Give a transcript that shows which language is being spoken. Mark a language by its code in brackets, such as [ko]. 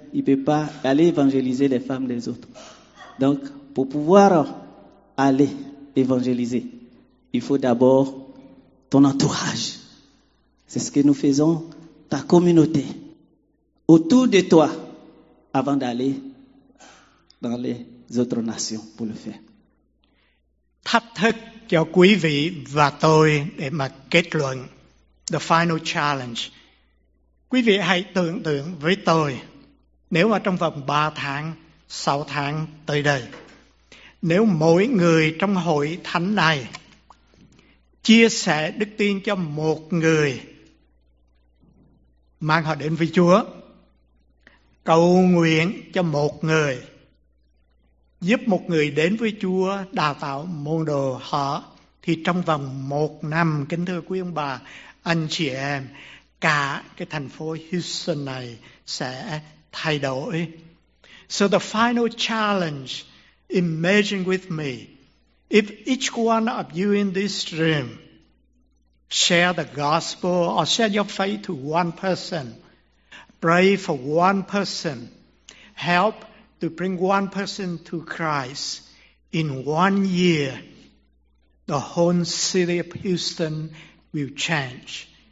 [fr] Il ne peut pas aller évangéliser les femmes des autres. Donc, pour pouvoir aller évangéliser, il faut d'abord ton entourage. C'est ce que nous faisons, ta communauté, autour de toi, avant d'aller dans les autres nations pour le faire. [vi] Thách thức cho quý vị và tôi để mà kết luận, [en] the final challenge. [vi] Quý vị hãy tưởng tượng với tôi, nếu mà trong vòng 3 tháng, 6 tháng tới đây, nếu mỗi người trong hội thánh này chia sẻ đức tin cho một người, mang họ đến với Chúa, cầu nguyện cho một người, giúp một người đến với Chúa, đào tạo môn đồ họ, thì trong vòng một năm, kính thưa quý ông bà, anh chị em, cả cái thành phố Houston này sẽ thay đổi. [en] So the final challenge, imagine with me, if each one of you in this room share the gospel or share your faith to one person, pray for one person, help to bring one person to Christ, in 1 year, the whole city of Houston will change.